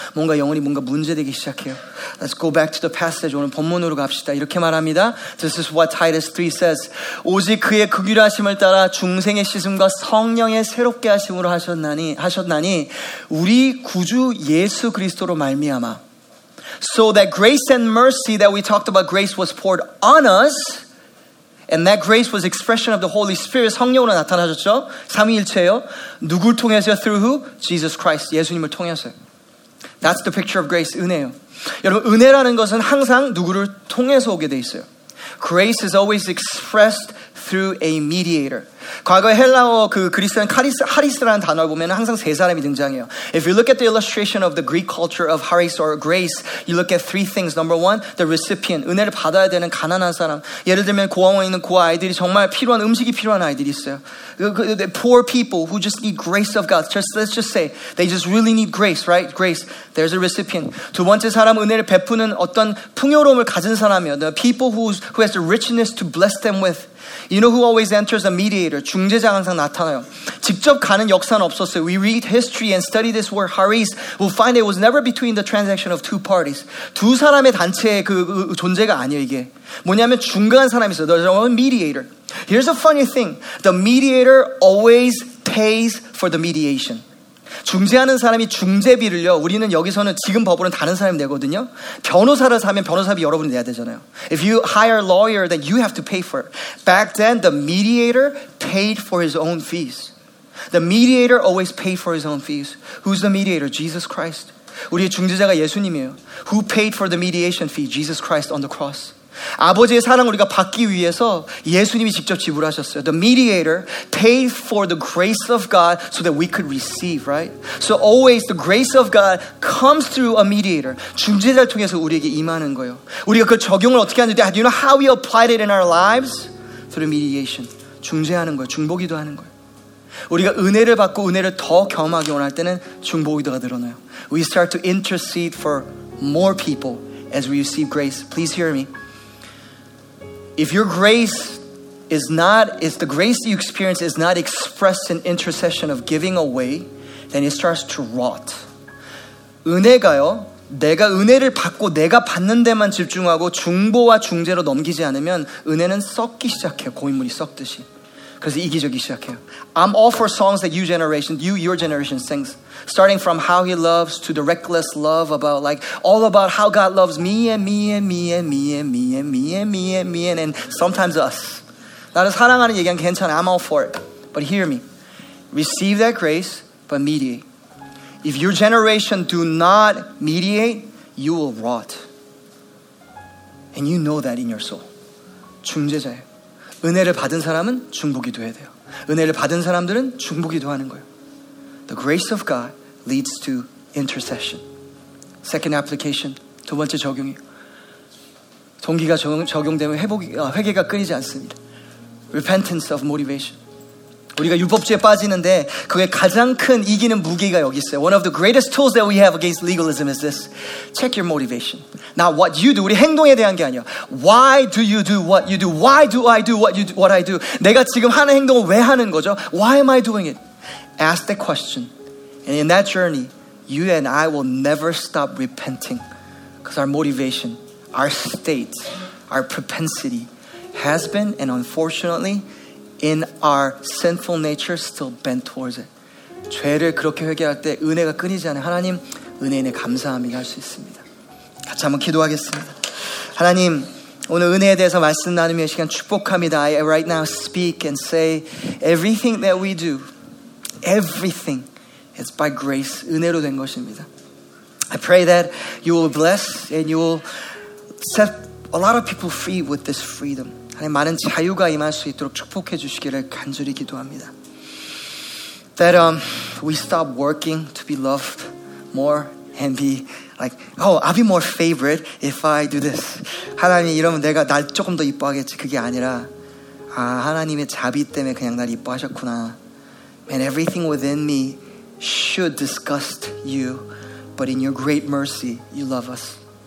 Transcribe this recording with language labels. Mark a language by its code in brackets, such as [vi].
[ko] 뭔가 영혼이 뭔가 문제되기 시작해요. [en] Let's go back to the passage. [ko] 오늘 본문으로 갑시다. 이렇게 말합니다. [en] This is what Titus 3 says. [ko] 오직 그의 극휼하심을 따라 중생의 씻음과 성령의 새롭게 하심으로 하셨나니 우리 구주 예수 그리스도로 말미암아. [en] So that grace and mercy that we talked about, grace was poured on us, and that grace was expression of the Holy Spirit. [ko] 성령으로 나타나셨죠? 삼위일체요. 누굴 통해서요? [en] Through who? Jesus Christ. [ko] 예수님을 통해서. [en] That's the picture of grace. [ko] 은혜요. 여러분, 은혜라는 것은 항상 누구를 통해서 오게 돼 있어요. [en] Grace is always expressed through a mediator. [ko] 과거 헬라어 그 그리스는 하리스라는 단어를 보면 항상 세 사람이 등장해요. [en] If you look at the illustration of the Greek culture of haris or grace, you look at three things. Number one, the recipient. [ko] 은혜를 받아야 되는 가난한 사람. 예를 들면 고아원에 있는 고아아이들이 정말 필요한 음식이 필요한 아이들이 있어요. [en] The poor people who just need grace of God. Let's just say they just really need grace, right? Grace. There's a recipient. [ko] 두 번째 사람 은혜를 베푸는 어떤 풍요로움을 가진 사람이에요. [en] The people who has the richness to bless them with. You know who always enters? A mediator. [ko] 중재자 항상 나타나요. 직접 가는 역사는 없었어요. [en] We read history and study this word haris. We'll find it was never between the transaction of two parties. [ko] 두 사람의 단체의 그 존재가 아니에요, 이게. 뭐냐면 중간 사람이 있어요. [en] There's a mediator. Here's a funny thing. The mediator always pays for the mediation. [ko] 중재하는 사람이 중재비를요. 우리는 여기서는 지금 법으로는 다른 사람이 내거든요. 변호사를 사면 변호사비 여러분이 내야 되잖아요. [en] If you hire a lawyer, then you have to pay for it. Back then, the mediator paid for his own fees. The mediator always paid for his own fees. Who's the mediator? Jesus Christ. [ko] 우리의 중재자가 예수님이에요. [en] Who paid for the mediation fee? Jesus Christ on the cross. [ko] 아버지의 사랑을 우리가 받기 위해서 예수님이 직접 지불하셨어요. [en] The mediator paid for the grace of God so that we could receive, right? So always the grace of God comes through a mediator. [ko] 중재자를 통해서 우리에게 임하는 거예요. 우리가 그 적용을 어떻게 하는지, [en] do you know how we apply it in our lives? Through mediation. [ko] 중재하는 거예요. 중보기도 하는 거예요. 우리가 은혜를 받고 은혜를 더 경험하기 원할 때는 중보기도가 늘어나요. [en] We start to intercede for more people as we receive grace. Please hear me. If your grace is not, if the grace you experience is not expressed in intercession of giving away, then it starts to rot. [ko] 은혜가요, 내가 은혜를 받고 내가 받는 데만 집중하고 중보와 중재로 넘기지 않으면 은혜는 썩기 시작해요. 고인물이 썩듯이. 그래서 이기적이 시작해요. [en] I'm all for songs that your generation sings. Starting from how he loves to the reckless love about like all about how God loves me and me and me and me and me and me and me and me and sometimes us. [ko] 나를 사랑하는 얘기는 괜찮아. [en] I'm all for it. But hear me. Receive that grace, but mediate. If your generation do not mediate, you will rot. And you know that in your soul. [ko] 중재자예요. 은혜를 받은 사람은 중보기도 해야 돼요. 은혜를 받은 사람들은 중보기도 하는 거예요. [en] The grace of God leads to intercession. Second application, [ko] 두 번째 적용이에요. 동기가 적용되면 회개가 끊이지 않습니다. [en] Repentance of motivation. [ko] 우리가 율법주의에 빠지는데 그게 가장 큰 이기는 무기가 여기 있어요. [en] One of the greatest tools that we have against legalism is this. Check your motivation. Not what you do. [ko] 우리 행동에 대한 게 아니야. [en] Why do you do what you do? Why do I do what you do, what I do? [ko] 내가 지금 하는 행동을 왜 하는 거죠? [en] Why am I doing it? Ask the question. And in that journey, you and I will never stop repenting. Because our motivation, our state, our propensity has been, and unfortunately, in our sinful nature, still bent towards it. [ko] 죄를 그렇게 회개할 때 은혜가 끊이지 않아요. 하나님, 은혜에 감사합니다 할 수 있습니다. 같이 한번 기도하겠습니다. 하나님, 오늘 은혜에 대해서 말씀 나누며 시간 축복합니다. [en] I right now speak and say everything that we do, everything is by grace, [ko] 은혜로 된 것입니다. [en] I pray that you will bless and you will set a lot of people free with this freedom. [ko] 하나님, 많은 자유가 임할 수 있도록 축복해 주시기를 간절히 기도합니다. [en] That we stop working to be loved more and be like, oh, I'll be more favorite if I do this. [ko] 하나님, 이러면 내가 날 조금 더 이뻐하겠지. 그게 아니라, 아, 하나님의 자비 때문에 그냥 날 이뻐하셨구나. [en] Man, everything within me should disgust you, but in your great mercy, you love us.